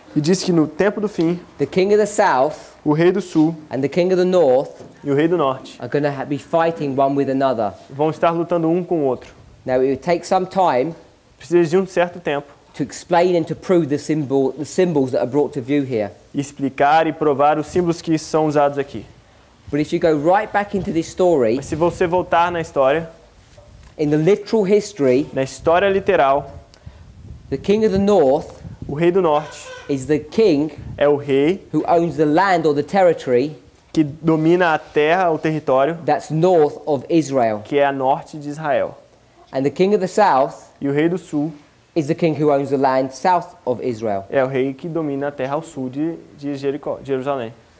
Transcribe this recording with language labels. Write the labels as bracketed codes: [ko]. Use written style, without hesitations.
[pt] e diz que no tempo do fim, [en] the king of the south, [pt] o rei do sul, [en] and the king of the north, [pt] e o rei do norte, [en] are going to be fighting one with another. [pt] Vão estar lutando com o outro. [en] Now it would take some time, [pt] precisa de certo tempo, [en] to explain and to prove the symbols that are brought to view here. [pt] Explicar e provar os símbolos que são usados aqui. [en] But if you go right back into this story, [pt] mas se você voltar na história, [en] in the literal history, [pt] na história literal, [en] the king of the north, [pt] o rei do norte, [en] is the king, [pt] é o rei, [en] who owns the land or the territory, [pt] que domina a terra, o território, [en] that's north of Israel, [pt] que é a norte de Israel. [en] And the king of the south, [pt] e o rei do sul, [en] is the king who owns the land south of Israel, [pt] é o rei que domina a terra ao sul de Jericó, Jerusalém.